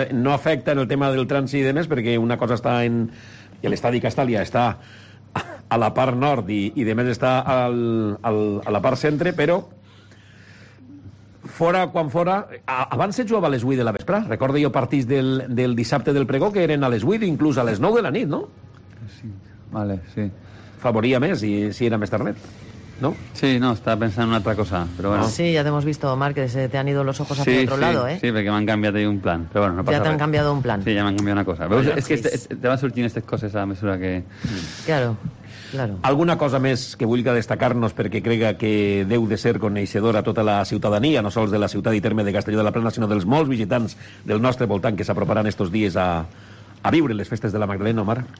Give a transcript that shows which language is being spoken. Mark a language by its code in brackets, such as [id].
[ca] No afecta en el tema del trànsit i demés, perquè una cosa està en... I l'estadi Castàlia està a la part nord i demés està a la part centre, però... Fora quan fora... Abans es jugava a les 8 de la vespre. Recordo jo partits del dissabte del pregó, que eren a les 8, inclús a les 9 de la nit, no? Sí, vale, sí. Favoria més si era més tard, no? Sí, no, estava pensant en una altra cosa, però bueno. [es] Sí, ja t'hemos visto, Marc, que se te han ido los ojos hacia otro lado, ¿eh? [ca] Sí, perquè m'han canviat ahí un plan, però bueno, no passa res. Ja t'han canviat un plan. Sí, ja m'han canviat una cosa. Veus, és que te van sortint aquestes coses a mesura que... Claro, claro. Alguna cosa més que vulga destacar-nos perquè crega que deu de ser coneixedora tota la ciutadania, no sols de la ciutat i terme de Castelló de la Plana, sinó dels molts visitants del nostre voltant que s'aproparan estos dies a viure les festes de la Magdalena, Omar?